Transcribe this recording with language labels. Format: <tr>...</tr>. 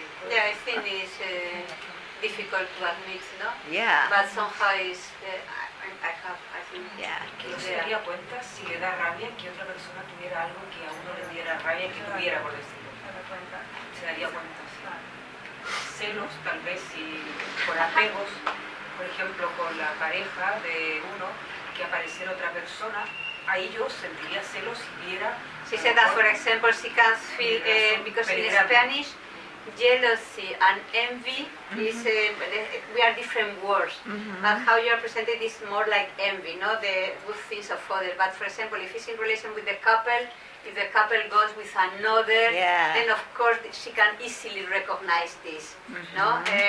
<en>Yeah, I think it's difficult to admit, no? Yeah. But somehow it's, I think.</en> <es>Yeah. ¿Se daría cuenta si le da rabia que otra persona tuviera algo que a uno le diera rabia que tuviera por decirlo? Se daría cuenta. Celos, tal vez, si por apegos, por ejemplo, con la pareja de uno, que apareciera otra persona. Ahí yo sentiría celos si viera.</es> <en>She said that, for example, she can feel because in Spanish, jealousy and envy is we are different words. Mm-hmm. But how you are presented is more like envy, no? The good things of others. But for example, if it's in relation with the couple, if the couple goes with another, then of course she can easily recognize this, no?</en>